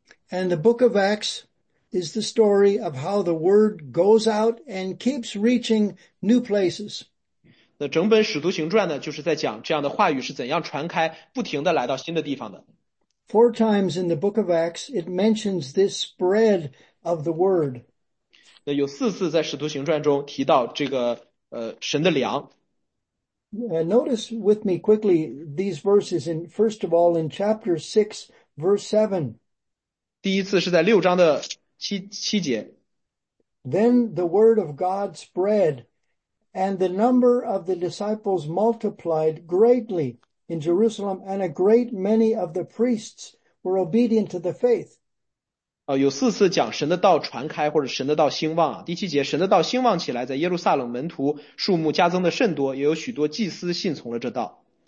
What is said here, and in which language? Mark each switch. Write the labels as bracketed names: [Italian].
[English] And the book of Acts is the story of how the word goes out and keeps reaching new places. [Chinese] 那整本使徒行传呢，就是在讲这样的话语是怎样传开，不停地来到新的地方的。 [English] Four times in the book of Acts, it mentions this spread of the word. [Chinese] 那有四次在使徒行传中提到这个神的粮。 [English] Notice with me quickly these verses in, first of all, in chapter 6, verse 7. [Chinese] 第一次是在六章的七节。 [English] Then the word of God spread, and the number of the disciples multiplied greatly in Jerusalem, and a great many of the priests were obedient to the faith. [Chinese] 有四次讲神的道传开，或者神的道兴旺啊。第七节，神的道兴旺起来，在耶路撒冷门徒数目加增的甚多，也有许多祭司信从了这道。